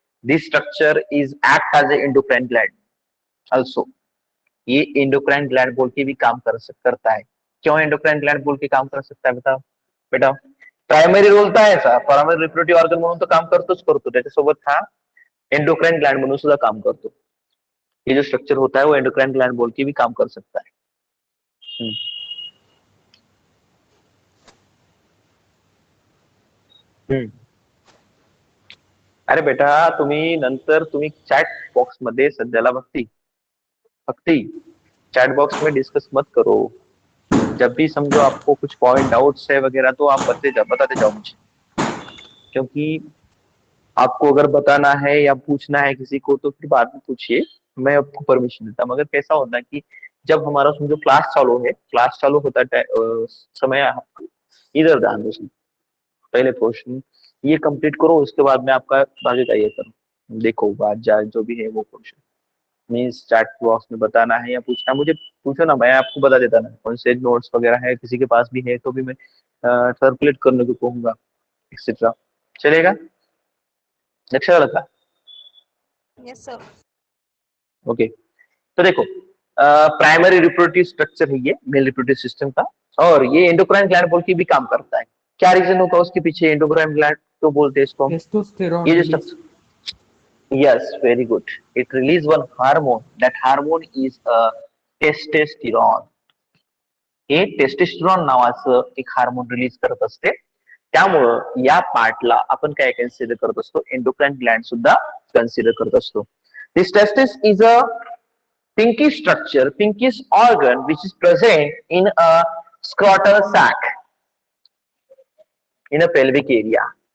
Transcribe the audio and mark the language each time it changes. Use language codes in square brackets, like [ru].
[en] This structure is act as a endocrine gland also. [hi] ये endocrine gland बोल के भी काम कर करता है. क्यों एंडोक्राइन ग्लैंड बोल के काम कर सकता है बता बेटा? प्राइमरी रोल तो है सर, [mr] प्राइमरी रिप्रोडक्टिव ऑर्गन म्हणून तो काम करतोच करतो, त्याच्यासोबत हा एंडोक्राइन ग्लैंड म्हणून सुद्धा काम करतो. [hi] ये जो स्ट्रक्चर होता है वो एंडोक्राइन ग्लैंड बोल के भी काम कर सकता है. [mr] अरे बेटा तुम्ही नंतर तुम्ही चॅट बॉक्स मध्ये सध्याला भक्ती भक्ती [hi] चॅट बॉक्स में डिस्कस मत करो. जब भी समझो आपको कुछ पॉइंट डाउट्स है वगैरह तो आप बताते जाओ मुझे, क्योंकि आपको अगर बताना है या पूछना है किसी को तो फिर बाद में पूछिए, मैं आपको परमिशन देता. मगर कैसा होता है कि जब हमारा समझो क्लास चालू है, क्लास चालू होता समय इधर ध्यान दो, पहले पोर्शन ये कम्प्लीट करो, उसके बाद में आपका बाकी का ये करो, देखो बात जाए जो भी है वो पोर्शन मीन्स चैट बॉक्स में बताना है या पूछना है मुझे, पूछो ना, मैं आपको बता देता ना कौन से नोट्स वगैरह है, किसी के पास भी है तो भी मैं सर्कुलेट करने को कहूंगा एक्सेट्रा. चलेगा? अच्छा लगा? [en] Yes sir. [hi] ओके, तो देखो प्राइमरी रिप्रोडक्टिव स्ट्रक्चर है ये मेल रिप्रोडक्टिव सिस्टम का, और ये एंडोक्राइन ग्लैंड बोल के भी काम करता है. क्या रीजन होगा उसके पीछे एंडोक्राइन ग्लैंड तो बोलते हैं इसको? टेस्टोस्टेरोन. ये जो structure, [en] yes very good, it release one hormone, that hormone is a testosterone. [mr] A testosterone नावाचं एक hormone release करत असते, त्यामुळे या part ला आपण काय consider करत असतो, endocrine gland सुद्धा consider करत असतो. [en] This testis is a pinkish structure, pinkish organ which is present in a scrotal sac in a pelvic area.